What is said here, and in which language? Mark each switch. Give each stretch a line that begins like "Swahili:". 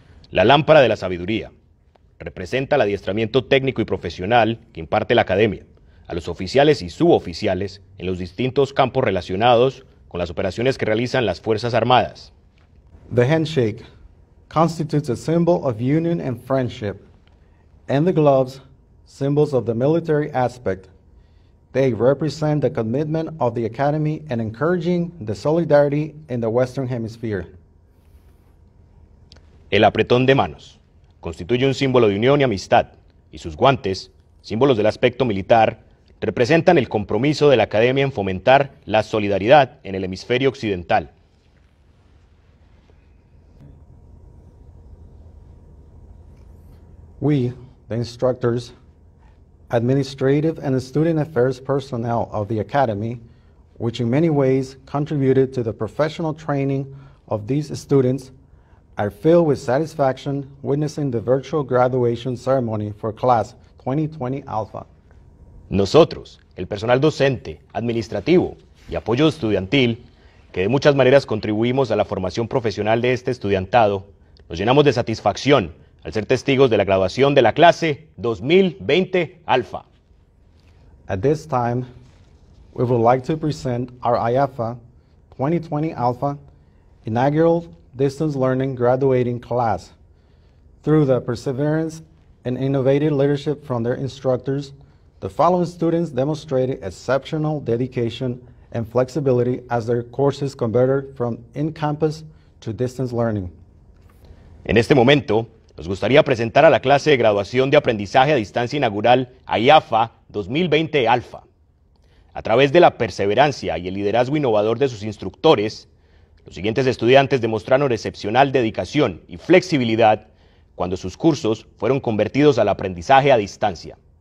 Spanish: La lámpara de la sabiduría representa el adiestramiento técnico y profesional que imparte la Academia a los oficiales y suboficiales en los distintos campos relacionados con las operaciones que realizan las Fuerzas Armadas.
English: The handshake constitutes a symbol of union and friendship, and the gloves, symbols of the military aspect. They represent the commitment of the Academy and encouraging the solidarity in the Western Hemisphere.
Spanish: El apretón de manos constituye un símbolo de unión y amistad, y sus guantes, símbolos del aspecto militar, representan el compromiso de la Academia en fomentar la solidaridad en el hemisferio occidental.
English: We, the instructors, administrative and student affairs personnel of the Academy, which in many ways contributed to the professional training of these students, are filled with satisfaction witnessing the virtual graduation ceremony for class 2020 Alpha.
Spanish: Nosotros, el personal docente, administrativo y apoyo estudiantil, que de muchas maneras contribuimos a la formación profesional de este estudiantado, nos llenamos de satisfacción al ser testigos de la graduación de la clase 2020 Alpha.
English: At this time, we would like to present our IAFA 2020 Alpha inaugural distance learning graduating class. Through the perseverance and innovative leadership from their instructors, the following students demonstrated exceptional dedication and flexibility as their courses converted from in-campus to distance learning.
Spanish: En este momento, nos gustaría presentar a la clase de graduación de aprendizaje a distancia inaugural IAFA 2020 Alpha. A través de la perseverancia y el liderazgo innovador de sus instructores, los siguientes estudiantes demostraron excepcional dedicación y flexibilidad cuando sus cursos fueron convertidos al aprendizaje a distancia.